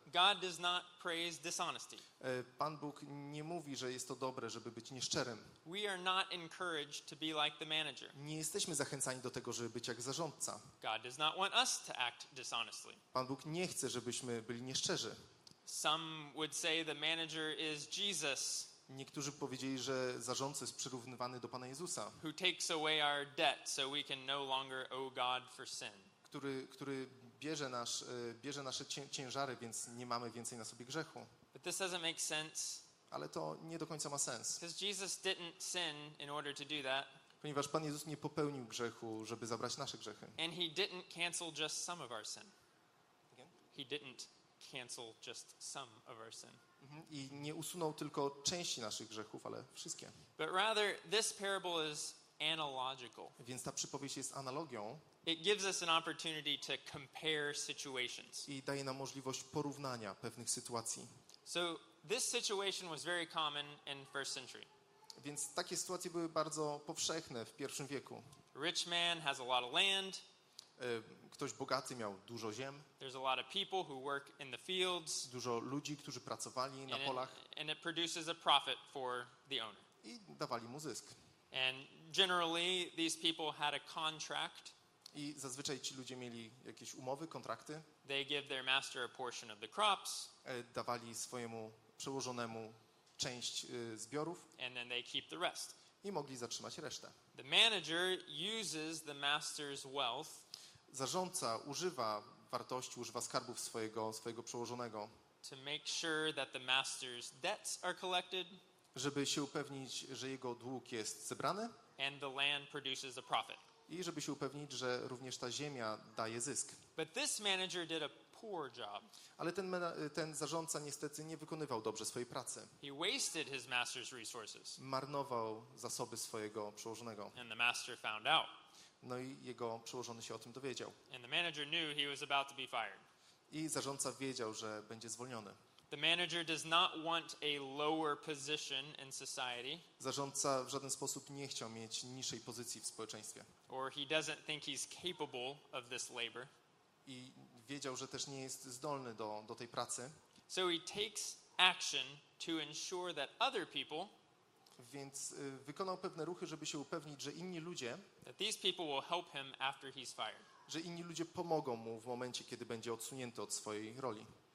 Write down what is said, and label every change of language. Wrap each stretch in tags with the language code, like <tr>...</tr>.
<en>God does not praise dishonesty.</en> <pl>Pan Bóg nie mówi, że jest to dobre, żeby być nieszczerym.</pl> <en>We are not encouraged to be like the manager.</en> <pl>Nie jesteśmy zachęcani do tego, żeby być jak zarządca.</pl> <en>God does not want us to act dishonestly.</en> <pl>Pan Bóg nie chce, żebyśmy byli nieszczerzy.</pl> <en>Some would say the manager is Jesus.</en> <pl>Niektórzy powiedzieli, że zarządca jest przyrównywany do Pana Jezusa.</pl> <en>Who takes away our debt so we can no longer owe God for sin.</en> <pl>Który bierze nasze ciężary, więc nie mamy więcej na sobie grzechu.</pl> <en>But this doesn't make sense.</en> <pl>Ale to nie do końca ma sens.</pl> <en>Because Jesus didn't sin in order to do that.</en> <pl>Ponieważ Pan Jezus nie popełnił grzechu, żeby zabrać nasze grzechy.</pl> <en>And he didn't cancel just some of our sin. Again? He didn't cancel just some of our sin.</en> <pl>I nie usunął tylko części naszych grzechów, ale wszystkie.</pl> <en>But rather, this parable is analogical.</en> <pl>Więc ta przypowieść jest analogią.</pl> <en>It gives us an opportunity to compare situations.</en> <pl>I daje nam możliwość porównania pewnych sytuacji.</pl> <en>So this situation was very common in first century.</en> <pl>Więc takie sytuacje były bardzo powszechne w pierwszym wieku.</pl> <en>Rich man has a lot of land.</en> <pl>Ktoś bogaty miał dużo ziem.</pl> <en>There's a lot of people who work in the fields.</en> <pl>Dużo ludzi, którzy pracowali na polach.</pl> <en>And it produces a profit for the owner.</en> <pl>I dawali mu zysk.</pl> <en>And generally these people had a contract.</en> <pl>I zazwyczaj ci ludzie mieli jakieś umowy, kontrakty.</pl> <en>They give their master a portion of the crops.</en> <pl>Dawali swojemu przełożonemu część zbiorów.</pl> <en>And then they keep the rest.</en> <pl>I mogli zatrzymać resztę.</pl> <en>The manager uses the master's wealth.</en> <pl>Zarządca używa wartości, używa skarbów swojego przełożonego.</pl> <en>To make sure that the master's debts are collected.</en> <pl>Żeby się upewnić, że jego dług jest zebrany.</pl> <en>And the land produces a profit.</en> <pl>I żeby się upewnić, że również ta ziemia daje zysk.</pl> <en>But this manager did a poor job.</en> <pl>Ale ten zarządca niestety nie wykonywał dobrze swojej pracy.</pl> <en>He wasted his master's resources.</en> <pl>Marnował zasoby swojego przełożonego.</pl> <en>And the master found out.</en> <pl>No i jego przełożony się o tym dowiedział.</pl> <en>And the manager knew he was about to be fired.</en> <pl>I zarządca wiedział, że będzie zwolniony.</pl> <en>The manager does not want a lower position in society.</en> <pl>Zarządca w żaden sposób nie chciał mieć niższej pozycji w społeczeństwie.</pl> <en>Or he doesn't think he's capable of this labor.</en> <pl>I wiedział, że też nie jest zdolny do tej pracy.</pl> <en>So he takes action to ensure that other people.</en> <pl>Więc wykonał pewne ruchy, żeby się upewnić, że inni ludzie.</pl> <en>That these people will help him after he's fired.</en> <pl>Że inni ludzie pomogą mu w momencie, kiedy będzie odsunięty od swojej roli.</pl>